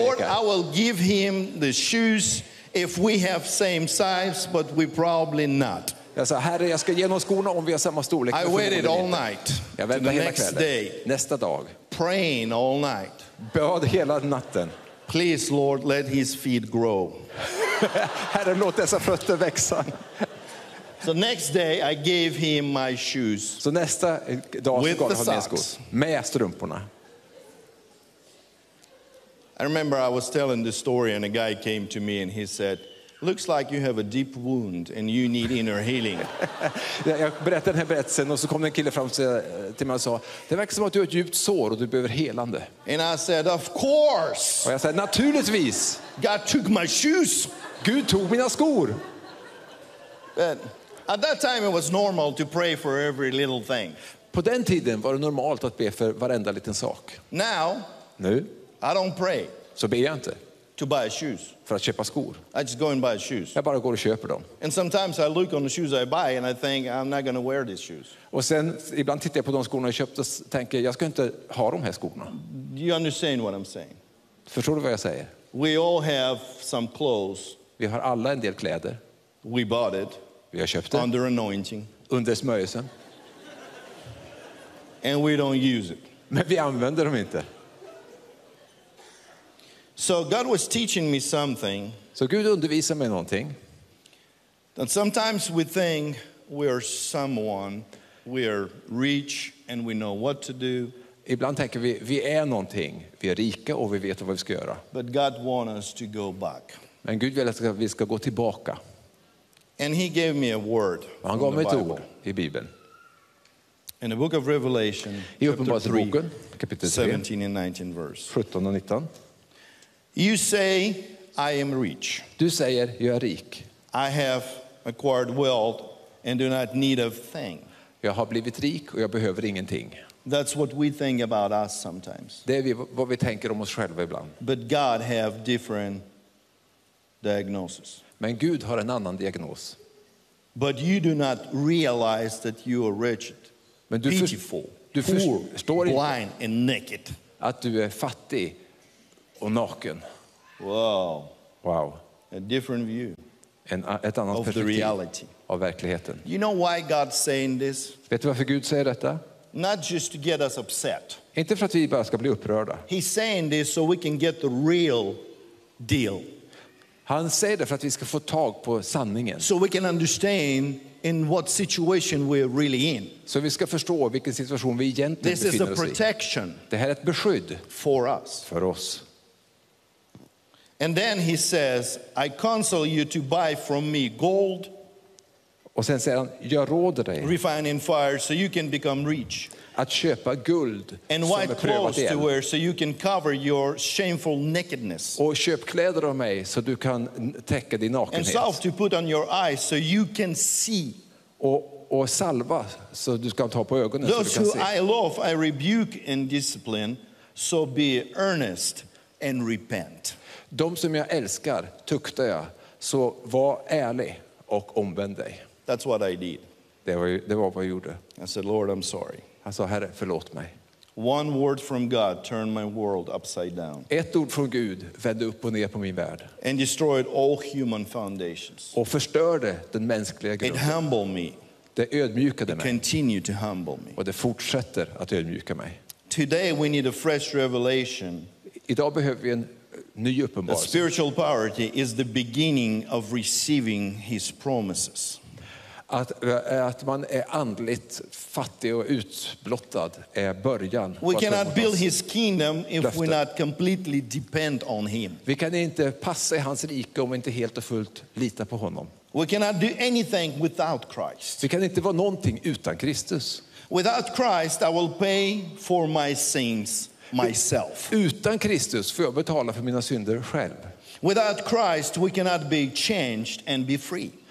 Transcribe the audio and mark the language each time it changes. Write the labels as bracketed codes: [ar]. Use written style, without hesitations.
[en] Lord, I will give him the shoes if we have same size, but we probably not. [sv] Jag sa, Herre, jag ska ge honom skorna om vi har samma storlek. [en] I waited all night. [sv] Jag väntade hela kvällen. Nästa dag. [en] Praying all night. [sv] Bad hela natten. [en] Please, Lord, let his feet grow. [sv] Herre, låt dessa fötter växa. [en] So next day, I gave him my shoes. [sv] Så nästa dag gav han mig skor. Med strumporna. [en] I remember I was telling the story and a guy came to me and he said, looks like you have a deep wound and you need inner healing. [sv] Jag berättade den här berättelsen och så kom en kille fram till mig och sa, det verkar som att du har ett djupt sår och du behöver helande. [en] And I said, of course. [sv] Och jag sa, naturligtvis. [en] God took my shoes. [sv] Gud tog mina skor. [en] But at that time it was normal to pray for every little thing. [sv] På den tiden var det normalt att be för varenda liten sak. [en] Now, [sv] nu, [en] I don't pray. [sv] Så ber jag inte. [en] to buy shoes. [sv] För att köpa skor. [en] I just go and buy shoes. [sv] Jag bara går och köper dem. [en] And sometimes I look on the shoes I buy and I think I'm not going to wear these shoes. [sv] Och sen ibland tittar jag på de skorna jag köpt och tänker jag ska inte ha de här skorna. [en] Do you understand what I'm saying? [sv] Förstår du vad jag säger? [en] We all have some clothes. [sv] Vi har alla en del kläder. [en] We bought it. [sv] Vi har köpt det. [en] Under anointing. [sv] Under smörjelsen. [en] And we don't use it. [sv] Men vi använder dem inte. [en] So God was teaching me something. [sv] Så Gud undervisar mig någonting. [en] That sometimes we think we are someone, we are rich and we know what to do. [sv] Ibland tänker vi är någonting, vi är rika och vi vet vad vi ska göra. [en] But God wants us to go back. [sv] Men Gud vill att vi ska gå tillbaka. [en] And he gave me a word. [sv] Och han gav mig ett ord i Bibeln. [en] In the book of Revelation, [sv] I Uppenbarelseboken, kapitel [en] 17 and 19 verse. [sv] 17 och 19. [en] You say I am rich. [sv] Du säger jag är rik. [en] I have acquired wealth and do not need a thing. [sv] Jag har blivit rik och jag behöver ingenting. [en] That's what we think about us sometimes. [sv] Det är vad vi tänker om oss själva ibland. [en] But God have different diagnosis. [sv] Men Gud har en annan diagnos. [en] But you do not realize that you are rich. [sv] Men du förstår [en] blind and naked. [sv] Att du är fattig. Och naken. [en] Wow. A different view. [sv] Ett annat perspektiv. [en] Of the reality. [sv] Av verkligheten. [en] You know why God's saying this? [sv] Vet du varför Gud säger detta? [en] Not just to get us upset. [sv] Inte för att vi bara ska bli upprörda. [en] He's saying this so we can get the real deal. [sv] Han säger det för att vi ska få tag på sanningen. [en] So we can understand in what situation we're really in. [sv] Så vi ska förstå vilken situation vi egentligen befinner oss i. [en] This is a protection. [sv] Det här är ett beskydd. [en] For us. [sv] För oss. [en] And then he says, I counsel you to buy from me gold. [sv] Och sen säger han, jag råder dig. [en] Refining fire so you can become rich. [sv] Att köpa guld. [en] And white clothes to wear so you can cover your shameful nakedness. [sv] Och köp kläder av mig så du kan täcka din nakenhet. [en] And salve to put on your eyes so you can see. [sv] Och salva så du ska ta på ögonen så du kan se. [en] Those who I love I rebuke and discipline, so be earnest and repent. [sv] De som jag älskar, tuktar jag. Så var ärlig och omvänd dig. [en] That's what I did. [sv] Det var vad jag gjorde. [en] I said, Lord, I'm sorry. [sv] Jag sa, Herre, förlåt mig. [en] One word from God turned my world upside down. [sv] Ett ord från Gud vände upp och ner på min värld. [en] And destroyed all human foundations. [sv] Och förstörde den mänskliga grunden. [en] It humbled me. [sv] Det ödmjukade mig. [en] It continued to humble me. [sv] Och det fortsätter att ödmjuka mig. [en] Today we need a fresh revelation. [sv] Idag behöver vi en ny uppenbarelse. [en] The spiritual poverty is the beginning of receiving his promises. [sv] Att man är andligt fattig och utblottad är början. [en] We cannot build his kingdom if we not completely depend on him. [sv] Vi kan inte passa i hans rike om vi inte helt och fullt litar på honom. [en] We cannot do anything without Christ. [sv] Vi kan inte vara någonting utan Kristus. [en] Without Christ I will pay for my sins. Myself. [sv] Utan Kristus får jag betala för mina synder själv. [en] Without Christ we cannot be changed and be free.